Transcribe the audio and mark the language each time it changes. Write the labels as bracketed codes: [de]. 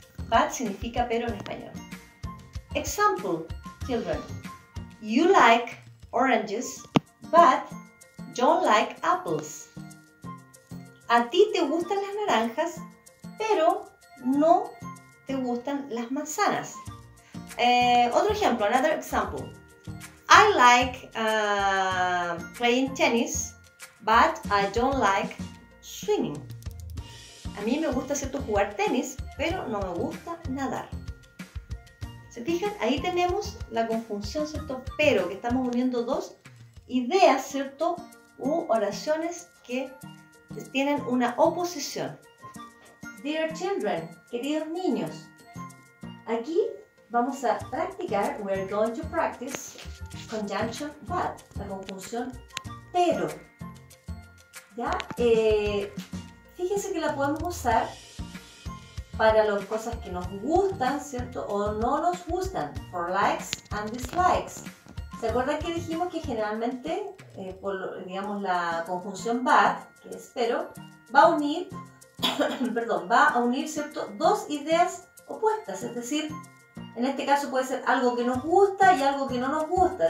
[es] But significa pero en español. [en] Example, children. You like oranges, but don't like apples. [es] A ti te gustan las naranjas, pero no te gustan las manzanas. Otro ejemplo, [en] another example. I like playing tennis, but I don't like swimming. [es] A mí me gusta, ¿cierto?, jugar tenis, pero no me gusta nadar. ¿Se fijan? Ahí tenemos la conjunción, ¿cierto?, pero, que estamos uniendo dos ideas, ¿cierto?, u oraciones que tienen una oposición. [en] Dear children, [es] queridos niños, aquí vamos a practicar, [en] we're going to practice conjunction but, [es] la conjunción pero. ¿Ya? Fíjense que la podemos usar para las cosas que nos gustan, ¿cierto? O no nos gustan, [en] for likes and dislikes. [es] ¿Se acuerdan que dijimos que generalmente, por, digamos, la conjunción but, que es pero, va a unir, perdón, va a unir, ¿cierto?, dos ideas opuestas, es decir, en este caso puede ser algo que nos gusta y algo que no nos gusta.